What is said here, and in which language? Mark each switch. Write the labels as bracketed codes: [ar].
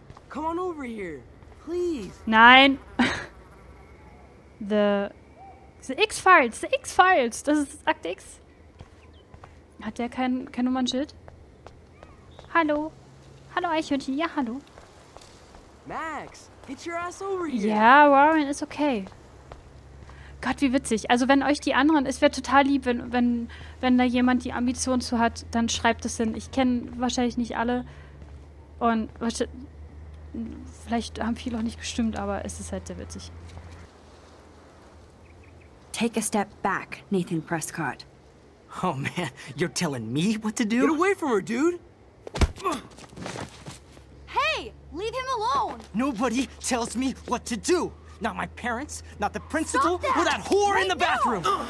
[en] Come on over here. Please. [de] Nein. [en] The X-Files. The X-Files. [de] Das ist Akt X. Hat der kein Nummernschild? Hallo. Hallo, Eichhörnchen. Ja, hallo. [en] Max, get your ass over here. [de] Ja, Warren, ist okay. Gott, wie witzig. Also, wenn euch die anderen... Es wäre total lieb, wenn da jemand die Ambition zu hat, dann schreibt es hin. Ich kenne wahrscheinlich nicht alle. Und wahrscheinlich... Vielleicht haben viele auch nicht gestimmt, aber es ist halt sehr witzig. [en] Take a step back, Nathan Prescott. Oh man, you're telling me what to do? Get away from her, dude! Hey, leave him alone! Nobody tells me what to do! Not my parents, not the principal, or that whore right in the bathroom!